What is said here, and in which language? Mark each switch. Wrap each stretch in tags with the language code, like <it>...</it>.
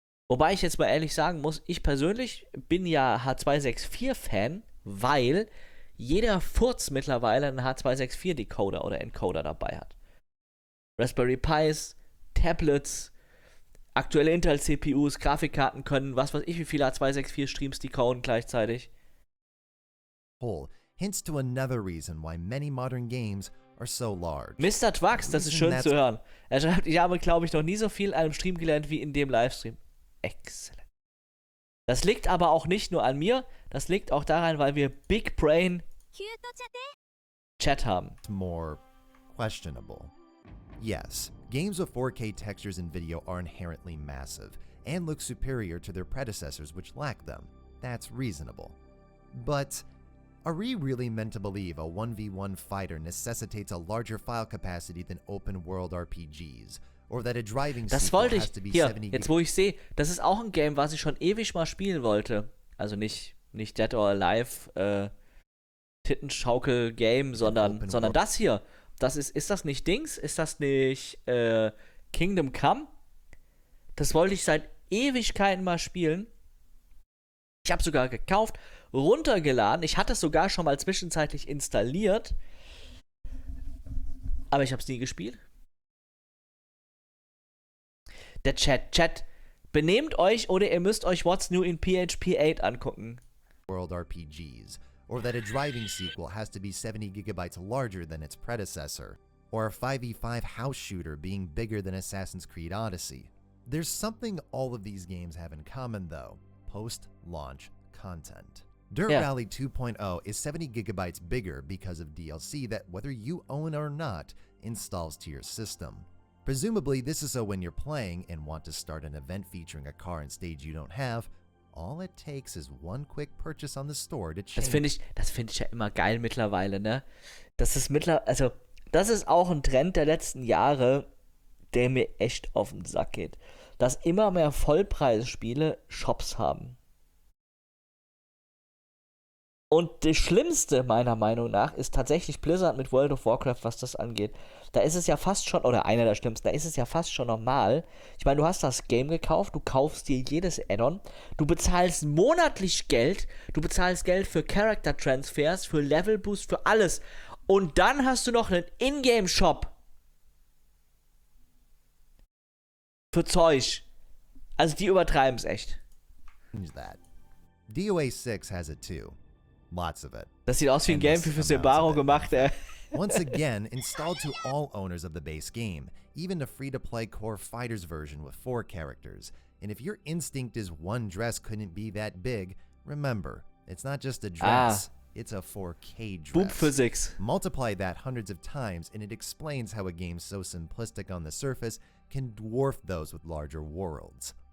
<de>Wobei ich jetzt mal ehrlich sagen muss, ich persönlich bin ja H264-Fan, weil jeder Furz mittlerweile einen H264-Decoder oder Encoder dabei hat. Raspberry Pis, Tablets, aktuelle Intel-CPUs, Grafikkarten können, was weiß ich, wie viele H264-Streams decoden gleichzeitig.</de> <en>Whole hints to another reason why many modern games are so large. Mr.</en> <de>Twax, das ist schön zu hören. Er schreibt, ich habe, glaube ich, noch nie so viel an einem Stream gelernt wie in dem Livestream.</de> <en>Excellent.</en> <de>Das liegt aber auch nicht nur an mir, das liegt auch daran, weil wir Big Brain Chat haben.</de> <en>More questionable. Yes, games with 4K textures and video are inherently massive and look superior to their predecessors which lack them. That's reasonable. But are we really meant to believe a 1v1 fighter necessitates a larger file capacity than open world RPGs? Or that a driving</en> <de>das wollte ich, hier, jetzt wo ich sehe, das ist auch ein Game, was ich schon ewig mal spielen wollte. Also nicht Dead or Alive, Tittenschaukel-Game, sondern das hier. Ist das nicht Dings? Ist das nicht Kingdom Come? Das wollte ich seit Ewigkeiten mal spielen. Ich habe sogar gekauft, runtergeladen. Ich hatte es sogar schon mal zwischenzeitlich installiert. Aber ich habe es nie gespielt. Der Chat, benehmt euch oder ihr müsst euch What's New in PHP 8 angucken.</de> <en>World RPGs, or that a driving sequel has to be 70 gigabytes larger than its predecessor, or a 5v5 house shooter being bigger than Assassin's Creed Odyssey. There's something all of these games have in common though, post-launch content. Dirt Rally 2.0 is 70 gigabytes bigger because of DLC that, whether you own or not, installs to your system. Presumably, this is so when you're playing and want to start an event featuring a car and stage you don't have, all it takes is one quick purchase on the store to change.</en> <de>Das finde ich ja immer geil mittlerweile, ne? Das ist auch ein Trend der letzten Jahre, der mir echt auf den Sack geht. Dass immer mehr Vollpreisspiele Shops haben. Und das Schlimmste meiner Meinung nach ist tatsächlich Blizzard mit World of Warcraft, was das angeht. Da ist es ja fast schon, oder einer der Schlimmsten, da ist es ja fast schon normal. Ich meine, du hast das Game gekauft, du kaufst dir jedes Add-on, du bezahlst monatlich Geld, du bezahlst Geld für Character Transfers, für Level Boost, für alles. Und dann hast du noch einen In-Game-Shop. Für Zeug. Also die übertreiben es echt.</de> <en>DOA 6 has it too. Lots of it.</en> <de>Das sieht aus wie ein Game für Sebaro gemacht, ey.</de> <en>Once again, installed to all owners of the base game, even the free-to-play Core Fighters version with four characters. And if your instinct is one dress couldn't be that big, remember, it's not just a dress, it's a 4K dress. Boop physics. Multiply that hundreds of times, and it explains how a game so simplistic on the surface can dwarf those with larger worlds.</en>